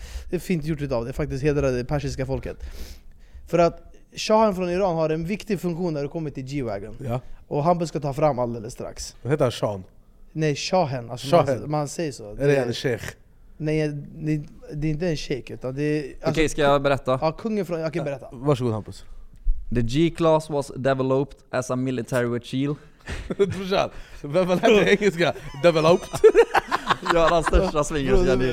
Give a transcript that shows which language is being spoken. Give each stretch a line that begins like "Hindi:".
Swedish: Det är fint gjort av det, faktiskt hedrar det persiska folket. För att Shahen från Iran har en viktig funktion när det kommer till G-Wagon. Ja. Och han ska ta fram alldeles strax. Vad heter han? Shahen? Nej, Shahen. Alltså Shahen. Man säger så. Är det en sheikh? Nej, det är inte en sheikh. Alltså, okej, ska jag berätta? Ja, kungen från... Okej, berätta. Varsågod, Hampus.
English: The G-class was developed as a military vehicle.
Swedish: Brorsan, vem har lärt dig engelska? Developed? Jag har den största svingen.